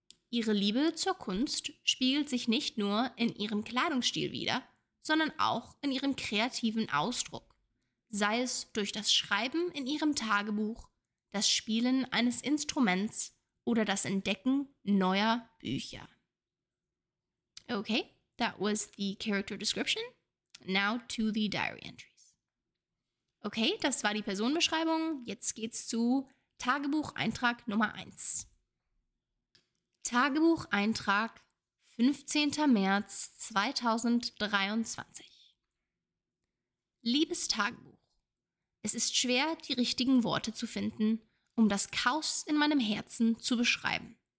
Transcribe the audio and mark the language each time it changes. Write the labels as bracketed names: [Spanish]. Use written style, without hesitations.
[German] Ihre Liebe zur Kunst spiegelt sich nicht nur in ihrem Kleidungsstil wider, sondern auch in ihrem kreativen Ausdruck. Sei es durch das Schreiben in ihrem Tagebuch, das Spielen eines Instruments oder das Entdecken neuer Bücher. [English] Okay, that was the character description. Now to the diary entries. [German] Okay, das war die Personenbeschreibung. Jetzt geht's zu Tagebucheintrag Nummer 1. Tagebucheintrag 15. März 2023. Liebes Tagebuch, es ist schwer, die richtigen Worte zu finden, um das Chaos in meinem Herzen zu beschreiben.